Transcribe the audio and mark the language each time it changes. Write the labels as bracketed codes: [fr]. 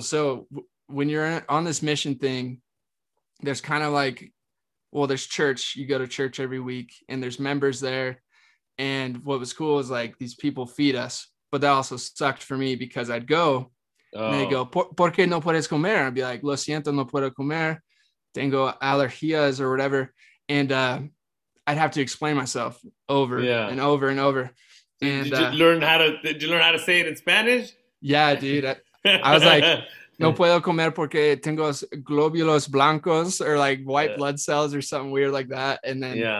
[en] So when you're on this mission thing, there's kind of like, well, there's church. You go to church every week and there's members there. And what was cool is like these people feed us, but that also sucked for me because I'd go and they go, [es] ¿Por qué no puedes comer? [en] I'd be like, [es] lo siento, no puedo comer. Tengo alergias [en] or whatever. And I'd have to explain myself over and over and over. And did you learn how to say it in Spanish? Yeah, dude. I was like, [es] no puedo comer porque tengo glóbulos blancos [en] or like white blood cells or something weird like that. And then,